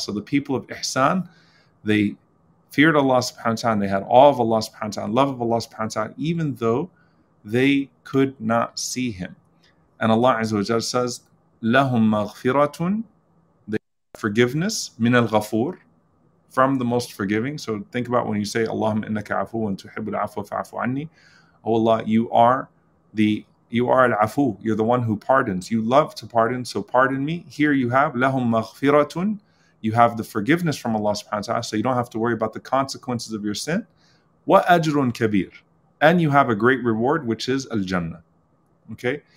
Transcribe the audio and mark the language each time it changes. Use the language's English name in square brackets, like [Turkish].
[English] So the people of Ihsan, they feared Allah subhanahu wa ta'ala, and they had awe of Allah subhanahu wa ta'ala and love of Allah subhanahu wa ta'ala, even though they could not see Him. And Allah Azza wa Jalla says, [Arabic] لَهُمْ مَغْفِرَةٌ, [English] they have forgiveness, [Arabic] مِنَ الْغَفُورِ, [English] from the most forgiving. So think about when you say, [Arabic] اللهم إنك عفو تحب العفو فعفو عني. [English] Oh Allah, you are العفو. You're the one who pardons. You love to pardon, so pardon me. Here you have, [Arabic] لهم مغفرة, [English] you have the forgiveness from Allah subhanahu wa ta'ala, so you don't have to worry about the consequences of your sin. [Arabic] وأجر كبير, [English] and you have a great reward, which is الجنة. Okay?